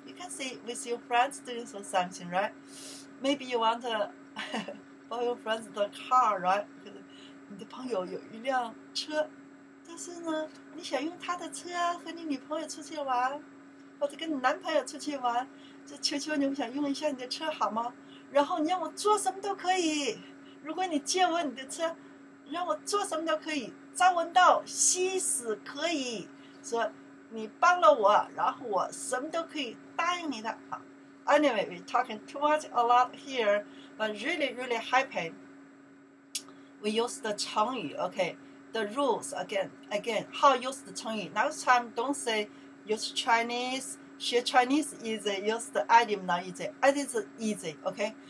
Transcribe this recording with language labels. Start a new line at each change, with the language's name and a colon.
English: You can say with your friends doing something, right? Maybe you want to. For your friends, the car, right?
Chinese: 你的朋友有一辆车，但是呢，你想用他的车啊，和你女朋友出去玩，或者跟你男朋友出去玩，就求求你，我想用一下你的车好吗？然后你让我做什么都可以。如果你借我你的车，让我做什么都可以。朝闻道，夕死可以。说你帮了我，然后我什么都可以答应你的。
English: Anyway, we're talking too much a lot here. But really, really happy. We use the 成语, okay? The rules, again, how use the 成语. Next time, don't say use Chinese, 学 Chinese easy, use the idiom not easy. It is easy, okay?